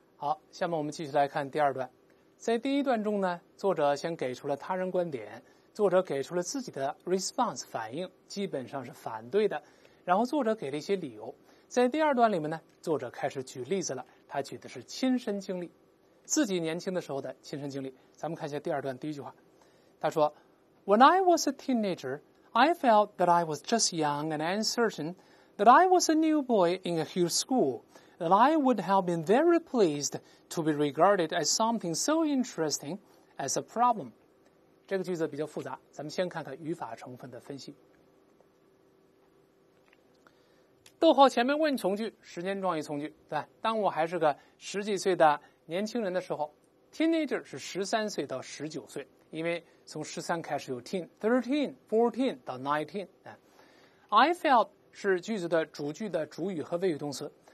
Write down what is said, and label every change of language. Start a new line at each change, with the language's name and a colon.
Chinese: 好，下面我们继续来看第二段。在第一段中呢，作者先给出了他人观点，作者给出了自己的 response 反应，基本上是反对的，然后作者给了一些理由。在第二段里面呢，作者开始举例子了，他举的是亲身经历，自己年轻的时候的亲身经历。咱们看一下第二段第一句话，他说
English: When I was a teenager, I felt that I was just young and uncertain, that I was a new boy in a huge school,that I would have been very pleased to be regarded as something so interesting as a problem.
Chinese: 这个句子比较复杂，咱们先看看语法成分的分析。逗号前面问从句，时间状语从句，对吧？当我还是个十几岁的年轻人的时候 ,teenager 是13岁到19岁，因为从13开始有 teen, 13, 14到 19,
English: I felt
Chinese: 是句子的主句的主语和谓语动词。